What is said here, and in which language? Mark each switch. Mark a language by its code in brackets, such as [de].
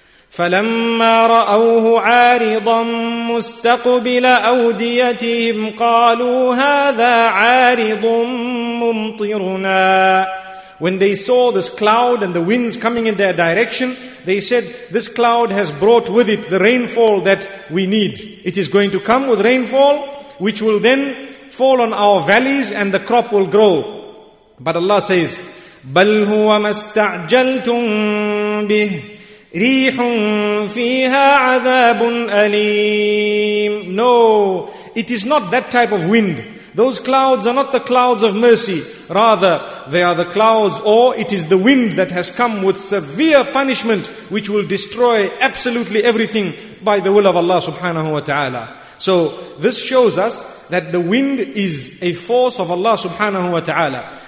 [ar] فَلَمَّا رَأَوْهُ عَارِضًا مُسْتَقْبِلَ أَوْدِيَتِهِمْ قَالُوا هَذَا عَارِضٌ مُمْطِرُنَا. [en] When they saw this cloud and the winds coming in their direction, they said, this cloud has brought with it the rainfall that we need. It is going to come with rainfall, which will then fall on our valleys and the crop will grow. But Allah says, [ar] بَلْ هُوَ مَسْتَعْجَلْتُمْ بِهِ رِيحٌ فِيهَا عَذَابٌ أَلِيمٌ. [en] No, it is not that type of wind. Those clouds are not the clouds of mercy. Rather, they are the clouds, or it is the wind that has come with severe punishment, which will destroy absolutely everything by the will of Allah subhanahu wa ta'ala. So, this shows us that the wind is a force of Allah subhanahu wa ta'ala.